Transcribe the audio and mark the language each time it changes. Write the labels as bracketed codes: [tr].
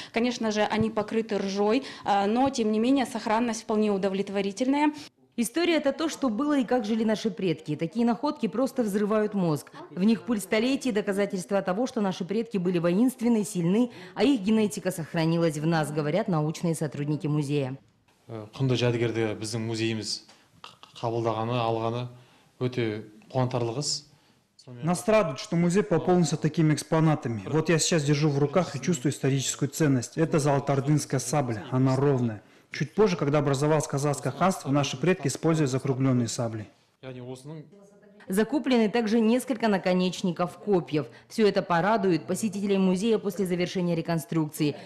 [ru] Конечно же, они покрыты ржой, но тем не менее сохранность вполне удовлетворительная. История – это то, что было и как жили наши предки. Такие находки просто взрывают мозг. В них пыль столетий – доказательства того, что наши предки были воинственны, сильны, а их генетика сохранилась в нас, говорят научные сотрудники музея. [kk] Құнды жәдігерді біздің музейіміз қабылдағаны, алғаны өте қуантарлығыз. [ru] Нас радует, что музей пополнился такими экспонатами. Вот я сейчас держу в руках и чувствую историческую ценность. Это золотоордынская сабля, она ровная. Чуть позже, когда образовалось казахское ханство, наши предки использовали закругленные сабли. Закуплены также несколько наконечников копьев. Все это порадует посетителей музея после завершения реконструкции.